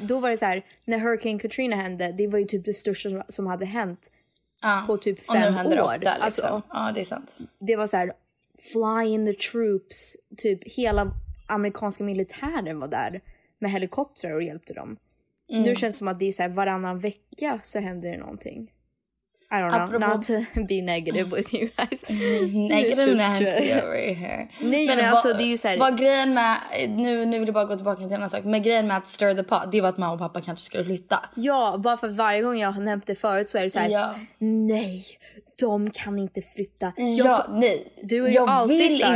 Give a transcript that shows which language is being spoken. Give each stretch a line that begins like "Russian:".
Swedish: då var det så här, när Hurricane Katrina hände, det var ju typ det största som hade hänt på typ 5 år. Det ofta, liksom. Alltså, ja, det är sant. Det var så här
English: flying the troops,
Swedish: typ hela amerikanska militären var där med helikoptrar och hjälpte dem. Mm. Nu känns det som att det är så här, varannan vecka så händer det någonting.
English: I don't know. Apropå... Not to be negative with you guys. Negative Nancy over here.
Swedish: Nej, men alltså det är ju så här... Vad grejen med, nu vill jag bara gå tillbaka till en annan sak, men grejen med att
English: stir the pot,
Swedish: det var att mamma och pappa kanske skulle flytta. Ja, bara för varje gång jag har nämnt det förut så är det så här, nej, de kan inte flytta. Nej. Du har ju jag alltid vill sagt...